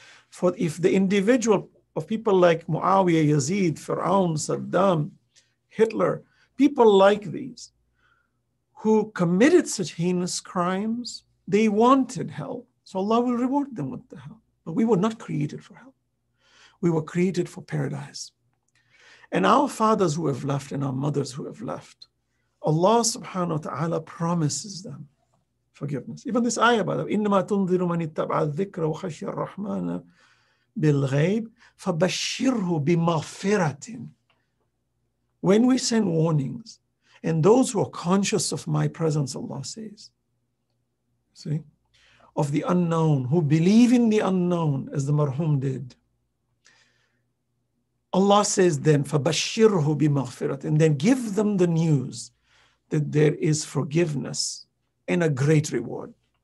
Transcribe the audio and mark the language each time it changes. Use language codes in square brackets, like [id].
[en] For if the individual of people like Muawiyah, Yazid, Fir'aun, Saddam, Hitler, people like these, who committed such heinous crimes, they wanted hell. So Allah will reward them with the hell. But we were not created for hell. We were created for paradise. And our fathers who have left and our mothers who have left, Allah subhanahu wa ta'ala promises them forgiveness. Even this ayah, by the way, [ar] إِنَّمَا تُنذِرُ مَنِ اتَّبْعَ الذِّكْرَ وَخَشِّ الرَّحْمَنَ بِالْغَيْبِ فَبَشِّرْهُ بِمَغْفِرَةٍ. [en] When we send warnings, and those who are conscious of my presence, Allah says, see, of the unknown, who believe in the unknown, as the marhum did, Allah says then, [ar] فَبَشِّرْهُ بِمَغْفِرَةٍ, [en] and then give them the news that there is forgiveness and a great reward.